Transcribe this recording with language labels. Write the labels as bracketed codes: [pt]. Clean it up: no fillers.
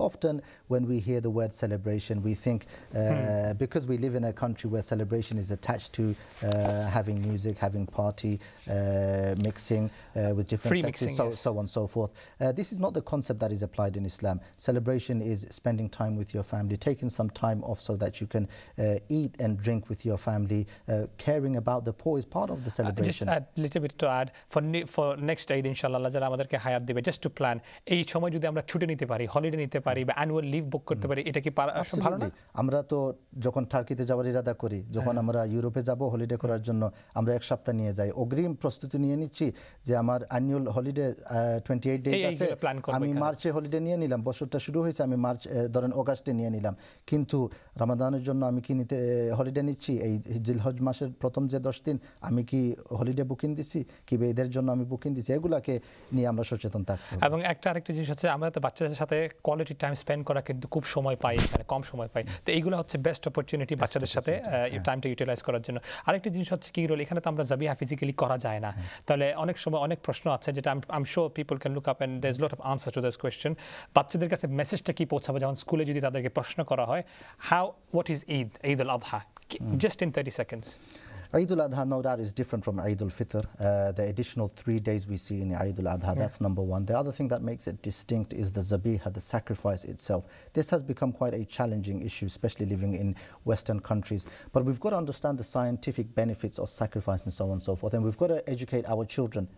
[en] Often, when we hear the word celebration, we think because we live in a country where celebration is attached to having music, having party, mixing with different free sexes, mixing, so on and so forth. This is not the concept that is applied in Islam. Celebration is spending time with your family, taking some time off so that you can eat and drink with your family. Caring about the poor is part of the celebration. Just a little bit to add, for next Eid, [bn] inshallah, হায়াত দিবে, [en] just to plan, [bn] এই সময় যদি আমরা ছুটি নিতে পারি, holiday নিতে পারি বা অ্যানুয়াল লিভ বুক করতে পারি, এটা কি ভালো না? আমরা তো যখন টার্কিতে যাওয়ার ইরাদা করি, যখন আমরা ইউরোপে যাব হলিডে করার জন্য, আমরা এক সপ্তাহ নিয়ে যাই, অগ্রিম প্রস্তুতি নিয়ে নিচ্ছি যে আমার অ্যানুয়াল হলিডে 28 ডেজ আছে, আমি মার্চে হলিডে নিয়ে নিলাম, বছরটা শুরু হয়েছে, আমি মার্চ ধরেন অগাস্টে নিয়ে নিলাম, কিন্তু রমাদানের জন্য আমি কি নিতে হলিডে নিচ্ছি? এই জিলহজ মাসের প্রথম যে 10 দিন আমি কি হলিডে বুকিং দিছি, কি বেঈদের জন্য আমি বুকিং দিছি, এগুলাকে নিয়ে আমরা সচেতন থাকতে হবে। এবং একটা আরেকটা জিনিস হচ্ছে, আমরা তো বাচ্চাদের সাথে কোয়ালিটি টাইম স্পেন্ড করা কিন্তু খুব সময় পাই, মানে কম সময় পাই, তো এইগুলো হচ্ছে বেস্ট অপরচুনিটি বাচ্চাদের সাথে টাইমটা ইউটিলাইজ করার জন্য। আরেকটা জিনিস হচ্ছে কি রোল, এখানে তো আমরা জাবিহা ফিজিক্যালি করা যায় না, তাহলে অনেক সময় অনেক প্রশ্ন আছে যেটা [en] I'm sure people can look up and there is lot of answer to this question, [bn] বাচ্চাদের কাছে মেসেজটা কি পৌঁছাবে যখন স্কুলে যদি তাদেরকে প্রশ্ন করা হয়, [en] how what is Eid, [bn] Eid ul আধা, [en] Just in 30 seconds? Eid al-Adha, no doubt, is different from Eid al-Fitr. The additional 3 days we see in Eid al-Adha, yeah. That's number one. The other thing that makes it distinct is the zabiha, the sacrifice itself. This has become quite a challenging issue, especially living in Western countries. But we've got to understand the scientific benefits of sacrifice and so on and so forth. And we've got to educate our children.